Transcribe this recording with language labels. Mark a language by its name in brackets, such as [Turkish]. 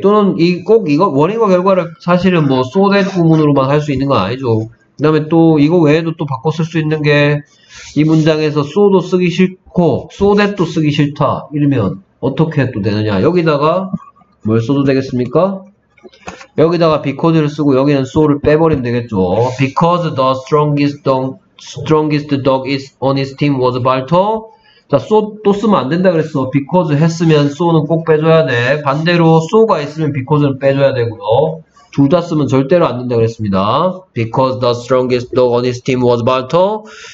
[Korean] 또는 이 꼭 이거 원인과 결과를 사실은 뭐 so that 구문으로만 할 수 있는 건 아니죠. 그 다음에 또 이거 외에도 또 바꿔 쓸 수 있는 게 이 문장에서 so도 쓰기 싫고 so that도 쓰기 싫다 이러면 어떻게 또 되느냐. 여기다가 뭘 써도 되겠습니까? 여기다가 because를 쓰고 여기는 so를 빼버리면 되겠죠. [English] because the strongest dog is on his team was Balto. [Korean] 자, so 또 쓰면 안 된다 그랬어. because 했으면 so는 꼭 빼줘야 돼. 반대로 so가 있으면 because는 빼줘야 되고요. 둘 다 쓰면 절대로 안 된다 그랬습니다. [English] Because the strongest dog on his team was Balto.